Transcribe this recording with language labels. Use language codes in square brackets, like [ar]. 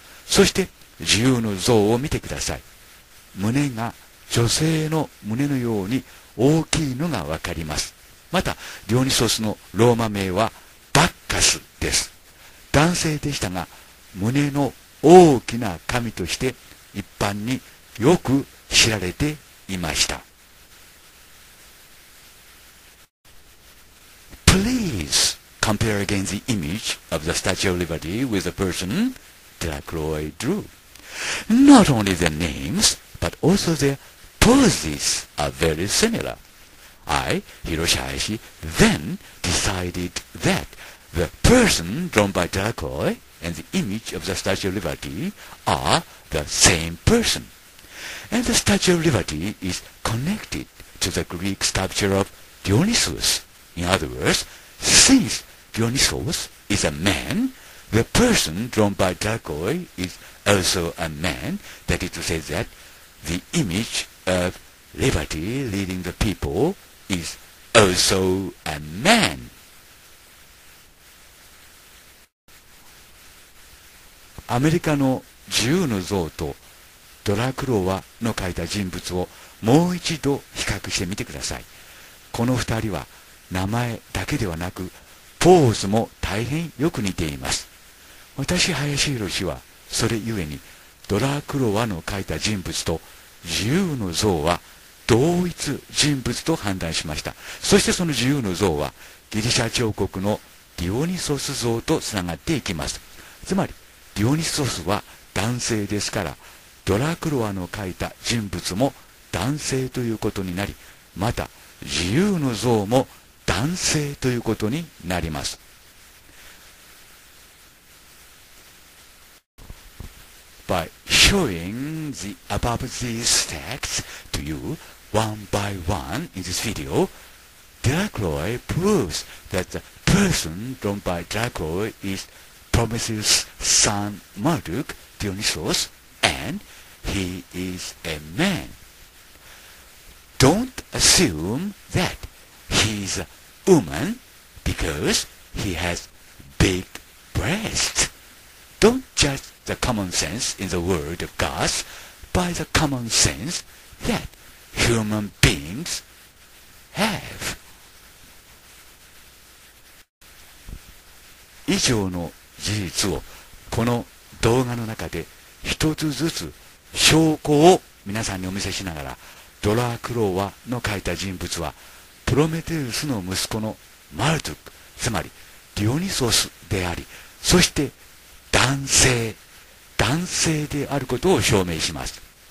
[ja] そして自由の像を見てください。胸が女性の胸のように大きいのがわかります。またディオニソスのローマ名はバッカスです。男性でしたが胸の大きな神として一般によく知られていました。 [en] Please compare again the image of the Statue of Liberty with the person Delacroix drew. Not only their names, but also their poses are very similar. I, Hiroshi Hayashi, then decided that the person drawn by Delacroix and the image of the Statue of Liberty are the same person. And the Statue of Liberty is connected to the Greek sculpture of Dionysus. In other words,Since Dionysus is a man, the person drawn by Delacroix is also a man. That is to say that The image of liberty leading the people is also a man. [ja] アメリカの自由の像とドラクロワの書いた人物をもう一度比較してみてください。この二人は名前だけではなくポーズも大変よく似ています。私林浩司はそれゆえにドラクロワの書いた人物と自由の像は同一人物と判断しました。そしてその自由の像はギリシャ彫刻のディオニソス像とつながっていきます。つまりディオニソスは男性ですから、ドラクロワの描いた人物も男性ということになり、また自由の像も男性ということになります。 [en] By showing the above these texts to you one by one in this video, Delacroix proves that the person drawn by Delacroix is Prometheus' son Marduk Dionysos, and he is a man. Don't assume that he is a woman because he has big breasts. Don't judge the common sense in the word of God by the common sense that human beings have. [ja] 以上の事実をこの動画の中で一つずつ証拠を皆さんにお見せしながら、ドラクロワの書いた人物はプロメテウスの息子のマルトゥク、つまりディオニソスであり、そして男性であることを証明します。